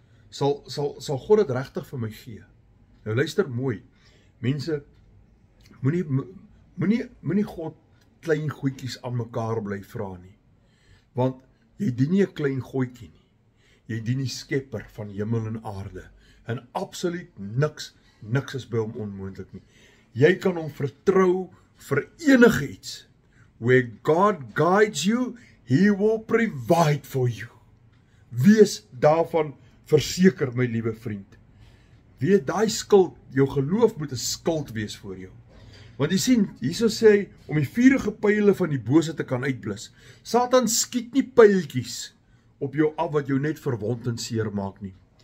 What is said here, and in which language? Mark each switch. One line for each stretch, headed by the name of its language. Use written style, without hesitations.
Afrikaans: Sal God dit regtig vir my gee? Nou luister mooi, mense, moenie God klein goedjies aan mekaar bly vra nie. Want jy dien nie 'n klein goedjie nie. Jy dien die Skepper van hemel en aarde. En absoluut niks is by hom onmoontlik nie. Jy kan hom vertrou vir enige iets.
English: Where God guides you, he will provide for you.
Afrikaans: Wees daarvan verseker, my liewe vriend. Weet, daai skuld, jou geloof moet 'n skuld wees vir jou. Want jy sien, Jesus sê, om die vuurige pyle van die bose te kan uitblus, Satan skiet nie pyltjies op jou af wat jou net verwond en seer maak nie.